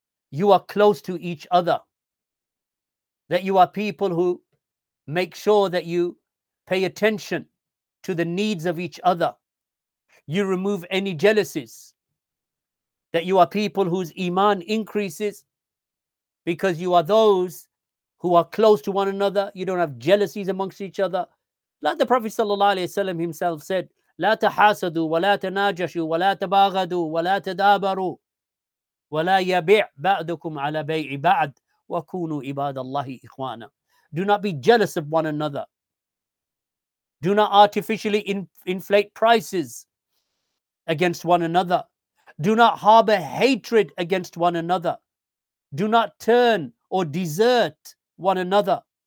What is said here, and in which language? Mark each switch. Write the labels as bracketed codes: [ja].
[en] You are close to each other. That you are people who make sure that you pay attention to the needs of each other. You remove any jealousies. That you are people whose iman increases because you are those who are close to one another. You don't have jealousies amongst each other. Like the Prophet sallallahu alayhi wa sallam himself said, [ar] لا تحاسدوا ولا تناجشوا ولا تباغدوا ولا تدابروا ولا يبيع بعضكم على بيع بعض وكونوا عباد الله إخوانا. [en] Do not be jealous of one another. Do not artificially inflate prices against one another. Do not harbor hatred against one another. Do not turn or desert one another.